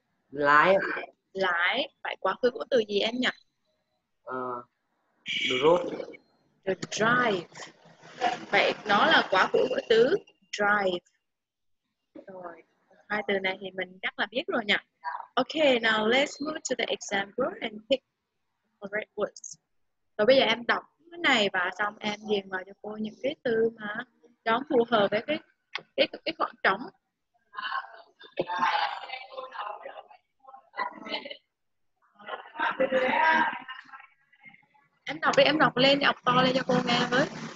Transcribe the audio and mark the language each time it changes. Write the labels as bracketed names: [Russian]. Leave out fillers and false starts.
[Vietnamese] Lái. Lái, phải quá khứ của từ gì em nhỉ? [English] Drove. Drive. [Vietnamese] Vậy nó là quá khứ của từ drive. Rồi, hai từ này thì mình chắc là biết rồi nhỉ? [English] Okay, now let's move to the example and pick the right words. [Vietnamese] Rồi bây giờ em đọc cái này và xong em điền vào cho cô những cái từ mà nó phù hợp với cái khoảng trống. Em đọc đi, em đọc lên, đọc to lên cho cô nghe với.